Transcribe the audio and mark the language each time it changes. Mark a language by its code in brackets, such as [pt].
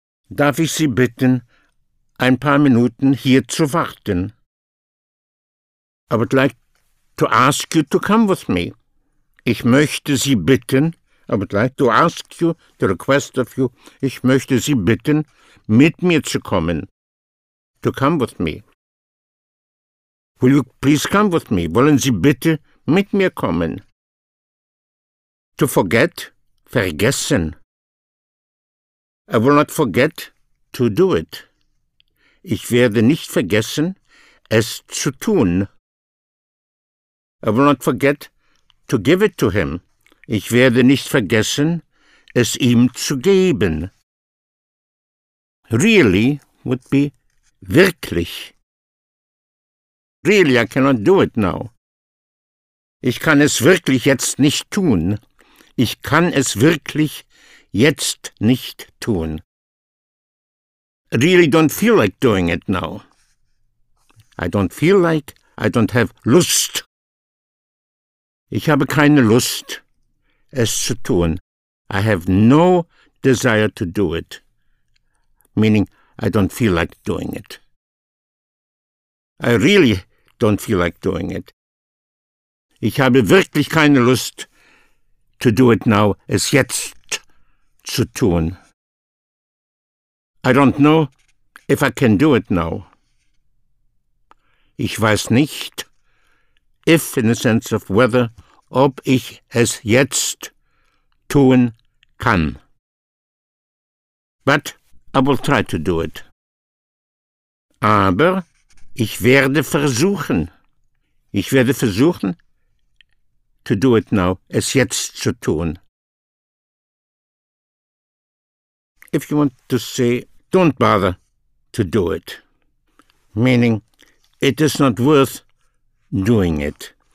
[de] Darf ich Sie bitten, ein paar Minuten hier zu warten. [en] I would like to ask you to come with me. [de] Ich möchte Sie bitten, [en] I would like to ask you, to request of you, [de] ich möchte Sie bitten, mit mir zu kommen. [en] To come with me. Will you please come with me? [de] Wollen Sie bitte mit mir kommen? [en] To forget, vergessen. I will not forget to do it. [de] Ich werde nicht vergessen, es zu tun. [en] I will not forget to give it to him. [de] Ich werde nicht vergessen, es ihm zu geben. [en] Really would be wirklich. Really, I cannot do it now. [de] Ich kann es wirklich jetzt nicht tun. Ich kann es wirklich jetzt nicht tun. [en] Really don't feel like doing it now. I don't feel like, I don't have Lust. [de] Ich habe keine Lust, es zu tun. [en] I have no desire to do it. Meaning, I don't feel like doing it. I really don't feel like doing it. [de] Ich habe wirklich keine Lust, [en] to do it now, [de] es jetzt zu tun. [en] I don't know if I can do it now. [de] Ich weiß nicht, [en] if in the sense of whether, [de] ob ich es jetzt tun kann. [en] But I will try to do it. [de] Aber ich werde versuchen. Ich werde versuchen, [en] to do it now, [de] es jetzt zu tun. [en] If you want to say, don't bother to do it, meaning it is not worth doing it.